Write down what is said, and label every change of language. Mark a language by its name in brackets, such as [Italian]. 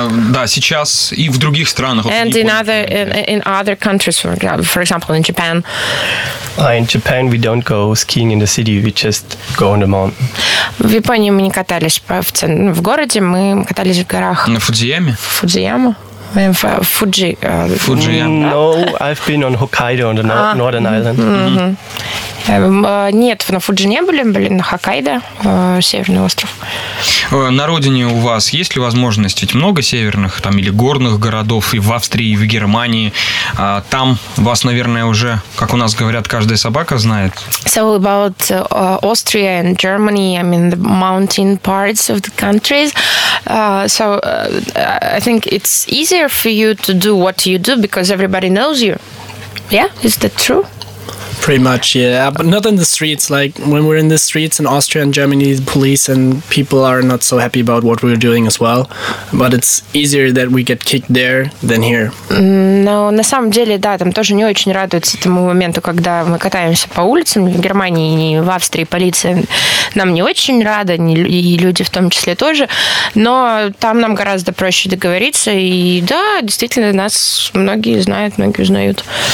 [Russian] Да, сейчас и в других странах. [English] And in other countries, for example, in Japan. In Japan we don't go skiing in the city, we just go on the mountain. [Russian] В Японии мы не катались в городе, мы катались в горах. На Фудзияме? Фудзияма. Fuji. [English] No, I've been on Hokkaido, on the northern island. Mm-hmm. [Russian] Нет, на Фуджи не были, мы были на Хоккайдо, северный остров. На родине у вас есть ли возможность, ведь много северных там или горных городов и в Австрии, и в Германии. Там вас, наверное, уже, как у нас говорят, каждая собака знает. [English] So about Austria and Germany, I mean the mountain parts of the countries. I think it's easier for you to do what you do because everybody knows you. Yeah, is that true? Pretty much, yeah, but not in the streets. Like when we're in the streets in Austria and Germany, the police and people are not so happy about what we're doing as well. But it's easier that we get kicked there than here. [Russian] Но на самом деле, да, там тоже не очень радуются тому моменту, когда мы катаемся по улицам в Германии и в Австрии, полиция нам не очень рада, и люди в том числе тоже. Но там нам гораздо проще договориться, и да, действительно, нас многие знают, многие узнают.